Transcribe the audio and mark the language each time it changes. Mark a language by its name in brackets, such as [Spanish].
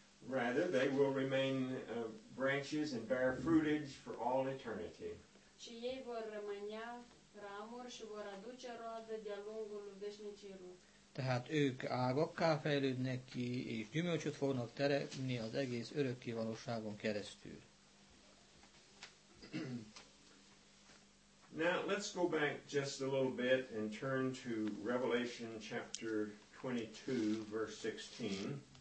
[English] Rather, they will remain branches and bear fruitage for all eternity. [Romanian] Și ei vor rămânea ramuri și vor aduce roadă de-a lungul veșnicii rup. [Hungarian] tehát ők ágakká fejlődnek ki, és gyümölcsöt fognak teremni az egész örökkévalóságon keresztül. [English] Now let's go back just a little bit and turn to Revelation chapter 22, verse 16.